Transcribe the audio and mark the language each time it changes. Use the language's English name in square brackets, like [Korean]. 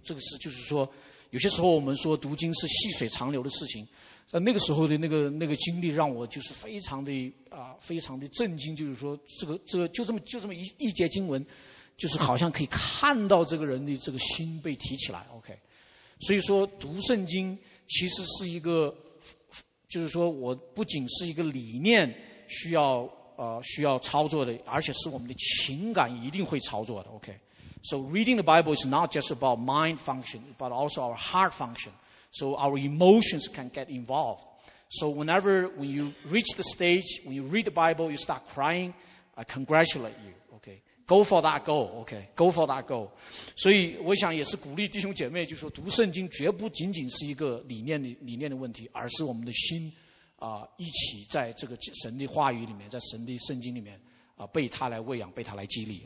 [Chinese] 这个是就是说有些时候我们说读经是细水长流的事情，在那个时候的那个经历让我就是非常的非常的震惊，就是说这个就这么一节经文，就是好像可以看到这个人的这个心被提起来。 OK， 所以说读圣经其实是一个，就是说我不仅是一个理念需要操作的，而且是我们的情感一定会操作的。 [English] OK， so reading the Bible is not just about mind function, but also our heart function. So our emotions can get involved. So whenever when you reach the stage, when you read the Bible, you start crying, I congratulate you. Okay, go for that goal. Okay, go for that goal. [Chinese] 所以我想也是鼓励弟兄姐妹，就是说读圣经绝不仅仅是一个理念的问题，而是我们的心一起在这个神的话语里面，在神的圣经里面被他来喂养，被他来激励。